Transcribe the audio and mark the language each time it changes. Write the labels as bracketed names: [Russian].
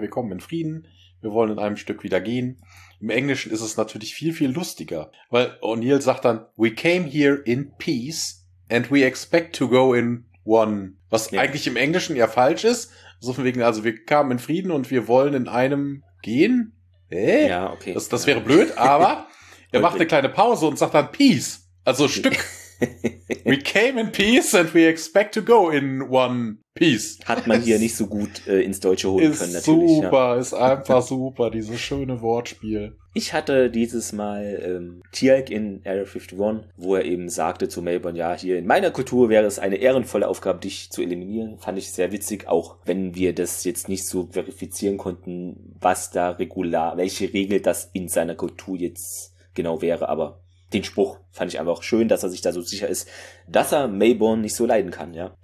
[German] Wir kommen in Frieden, wir wollen in einem Stück wieder gehen. Im Englischen ist es natürlich viel, viel lustiger, weil O'Neill sagt dann, [English] we came here in peace and we expect to go in one. [German] Was eigentlich im Englischen ja falsch ist. So von wegen, also wir kamen in Frieden und wir wollen in einem gehen. Ja, okay. Das wäre blöd, aber er macht eine kleine Pause und sagt dann Peace. Also Stück. [English] We came in peace and we expect to go in one piece. [German] Hat man hier nicht so gut ins Deutsche holen ist können, natürlich. Super, ja. Ist einfach super, dieses schöne Wortspiel. Ich hatte dieses Mal Tieck in Area 51, wo er eben sagte zu Melbourne, ja, hier in meiner Kultur wäre es eine ehrenvolle Aufgabe, dich zu eliminieren. Fand ich sehr witzig, auch wenn wir das jetzt nicht so verifizieren konnten, was da regular, welche Regel das in seiner Kultur jetzt genau wäre, aber den Spruch fand ich einfach auch schön, dass er sich da so sicher ist, dass er Melbourne nicht so leiden kann, ja.